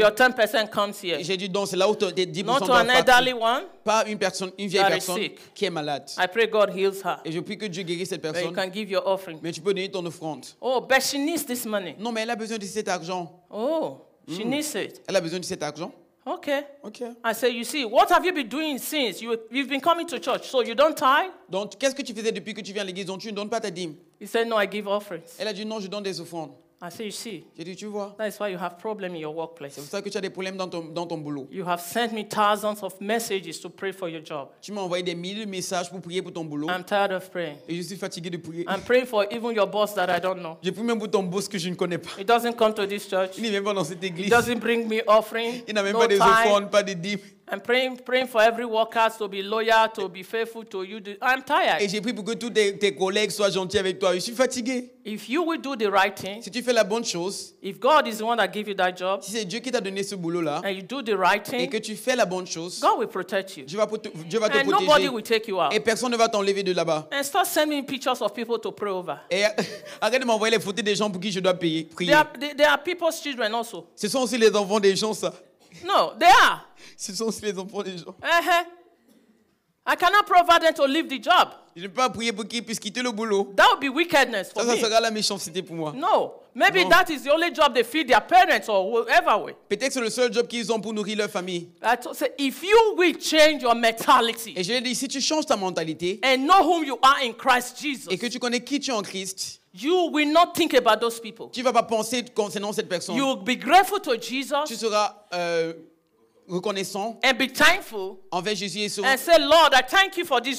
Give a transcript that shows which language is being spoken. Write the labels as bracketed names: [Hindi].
[English] So your 10% comes here. [French] Et j'ai dit donc c'est là où tes 10% doivent partir. [English] Not to an elderly one. [French] Pas une personne, une vieille personne qui est malade. [English] I pray God heals her. [French] Et je prie que Dieu guérisse cette personne. [English] But you can give your offering. [French] Mais tu peux donner ton offrande. [English] Oh, but she needs this money. [French] Non, mais elle a besoin de cet argent. [English] Oh. She needs it. [French] Elle a besoin de cet argent. [English] Okay. [French] Okay. [English] I say, you see, what have you been doing since you've been coming to church? So you don't tithe? [French] Donc, qu'est-ce que tu faisais depuis que tu viens à l'église? Donc, tu ne donnes pas ta dîme? [English] He said, no, I give offerings. [French] Elle a dit non, je donne des offrandes. [English] I say, you see. [French] J'ai dit, tu vois. [English] That is why you have problems in your workplace. [French] C'est pour ça que tu as des problèmes dans ton boulot. [English] You have sent me thousands of messages to pray for your job. [French] Tu m'as envoyé des milliers de messages pour prier pour ton boulot. [English] I'm tired of praying. [French] Et je suis fatigué de prier. [English] I'm praying for even your boss that I don't know. [French] Je prie même pour ton boss que je ne connais pas. [English] He doesn't come to this church. [French] Il n'est même pas dans cette église. [English] He doesn't bring me offering. [French] Il n'a même pas des offrandes, pas des dîmes. [English] I'm praying for every worker to be loyal, to be faithful to you. I'm tired. [French] Et j'ai prié pour que tous tes collègues soient gentils avec toi. Je suis fatigué. [English] If you will do the right thing, [French] si tu fais la bonne chose, [English] if God is the one that give you that job, [French] si c'est Dieu qui t'a donné ce boulot là, [English] and you do the right thing, [French] et que tu fais la bonne chose, [English] God will protect you. [French] Dieu va te [English] and [French] protéger. [English] And nobody will take you out. [French] Et personne ne va t'enlever de là-bas. [English] And start sending pictures of people to pray over. [French] Et arrête de m'envoyer les photos des gens pour qui je dois payer, prier. [English] There are people's children also. [French] Ce sont aussi les enfants des gens ça. [English] No, they are. [French] Ce sont aussi les enfants des gens. [English] I cannot provide them to leave the job. [French] Je ne peux pas prier pour qu'ils puissent quitter le boulot. [English] That would be wickedness for [French] ça, [English] me. [French] Ça sera la méchanceté pour moi. [English] No, maybe non. That is the only job they feed their parents or whatever way. [French] Peut-être que c'est le seul job qu'ils ont pour nourrir leur famille. [English] If you will change your mentality. [French] Et je dis, si tu changes ta mentalité. [English] And know whom you are in Christ Jesus. [French] Et que tu connais qui tu es en Christ. [English] You will not think about those people. [French] Tu vas pas penser concernant cette personne. [English] You will be grateful to Jesus. [French] Tu seras reconnaissant. [English] And be thankful. [French] Envers Jésus et son. [English] And say, Lord, I thank you for this